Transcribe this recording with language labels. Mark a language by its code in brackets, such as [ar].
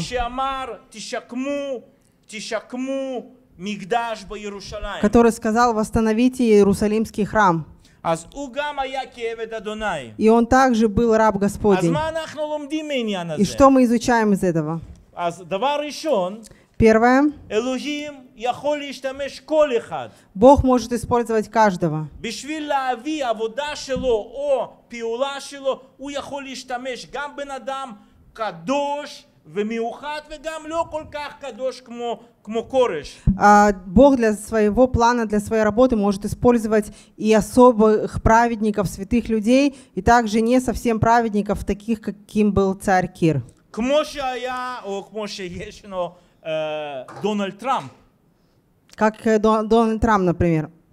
[he] שאמר תשקמו מקדש בירושלים. [ru] Который сказал: восстановите Иерусалимский храм. [he] אז הוא גם היה כעבד אדוני. [ru] И он также был раб Господень. [he] אז מה אנחנו לומדים מעניין הזה? [ru] И что мы изучаем из этого? [he] אז דבר ראשון. [ru] Первое. [he] Элохим יכול להשתמש כל אחד. [ru] Бог может использовать каждого. [he] בשביל להביא עבודה שלו או פעולה שלו, הוא יכול להשתמש גם בן אדם קדוש ומיוחד וגם לא כל כך קדוש כמו Кореш. [ru] Бог для своего плана, для своей работы может использовать и особых праведников, святых людей, и также не совсем праведников, таких, каким был царь Кир. [he] כמו שהיה, או כמו שישנו, Дональд Трамп. [ru] Как Дональд Трамп, например.